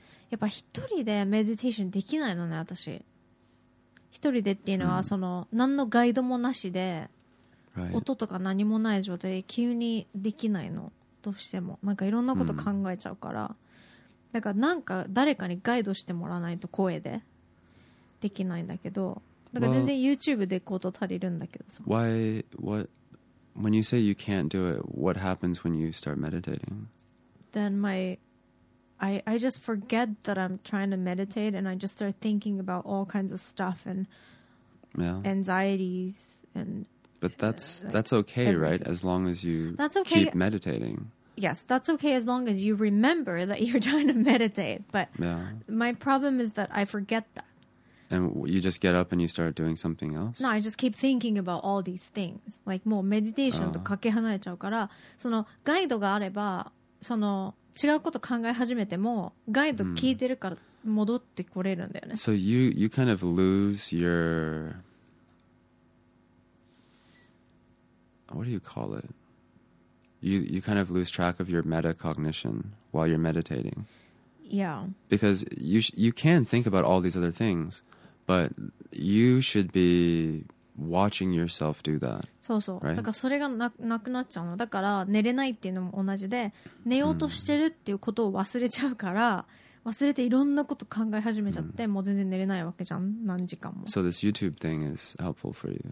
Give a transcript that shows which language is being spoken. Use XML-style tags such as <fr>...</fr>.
<ja>やっぱ一人でメディテーションできないのね私。一人でっていうのはその、うん、何のガイドもなしで、</ja> <en>right.</en> <ja>音とか何もない状態で急にできないの。どうしてもなんかいろんなこと考えちゃうから、だからなんか誰かにガイドしてもらわないと声でできないんだけど、だから全然 YouTube でこと足りるんだけどさ。</ja> <en>Well, why what when you say you can't do it, what happens when you start meditating? Then my I just forget that I'm trying to meditate and I just start thinking about all kinds of stuff and anxieties and. But that's okay, right? As long as you keep meditating. Yes, that's okay as long as you remember that you're trying to meditate. But my problem is that I forget that. And you just get up and you start doing something else? No, I just keep thinking about all these things.</en> <ja>Like, もうメディテーションとかけ離れちゃうから、そのガイドがあれば、その違うこと考え始めても、ガイド聞いてるから戻ってこれるんだよね。</ja> <en>So you kind of lose your... What do you call it? You kind of lose track of your metacognition while you're meditating. Yeah. Because you can think about all these other things, but you should be watching yourself do that.</en> <ja>そうそう。</ja> <en>Right?</en> <ja>だからそれがなくなっちゃうの。だから寝れないっていうのも同じで、寝ようとしてるっていうことを忘れちゃうから、忘れていろんなこと考え始めちゃって、もう全然寝れないわけじゃん。何時間も。</ja> <en>So this YouTube thing is helpful for you.</en>